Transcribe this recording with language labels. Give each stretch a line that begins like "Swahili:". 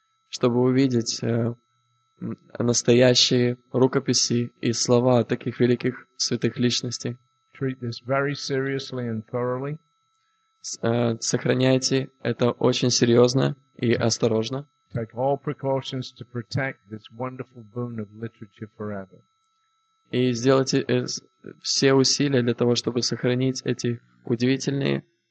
Russian: Чтобы увидеть настоящие рукописи и слова таких великих святых личностей.
English: Treat this very seriously and thoroughly.
Russian: Сохраняйте это очень серьезно и осторожно.
English: Take all precautions to protect this wonderful boon of literature forever.
Russian: И сделайте все усилия для того, чтобы сохранить эти удивительные...